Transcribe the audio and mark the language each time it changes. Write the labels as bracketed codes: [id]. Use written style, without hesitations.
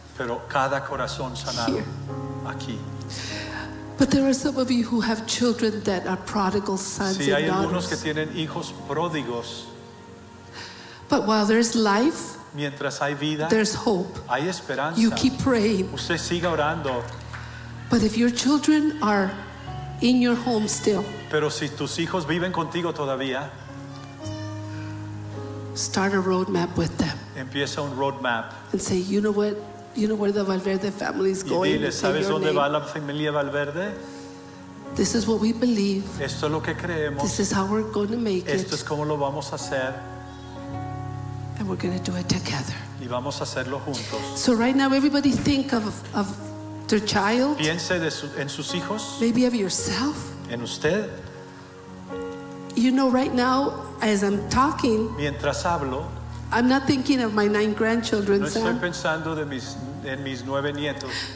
[es] Pero cada corazón sanado aquí. [en] But there are some of you who have children that are prodigal sons and daughters. [es] Sí, hay algunos que tienen hijos pródigos. [en] But while there's life, [es] mientras hay vida, [en] there's hope. [es] Hay esperanza. [en] You keep praying. [es] Usted siga orando. [en] But if your children are in your home still, [es] pero si tus hijos viven contigo todavía, [en] start a roadmap with them. [es] Empieza un roadmap. [en] And say, you know what? You know where the Valverde family is going. [es] Y dile, ¿sabes dónde va la familia Valverde? [en] This is what we believe. [es] Esto es lo que creemos. [en] This is how we're going to make it. [es] Esto es cómo lo vamos a hacer. [en] And we're going to do it together. [es] Y vamos a hacerlo juntos. [en] So right now, everybody think of their child. [es] Piense de su, en sus hijos. [en] Maybe of yourself. [es] En usted. [en] You know, right now, as I'm talking, [es] mientras hablo, [en] I'm not thinking of my 9 grandchildren, [es] no estoy pensando de mis, en mis 9 nietos.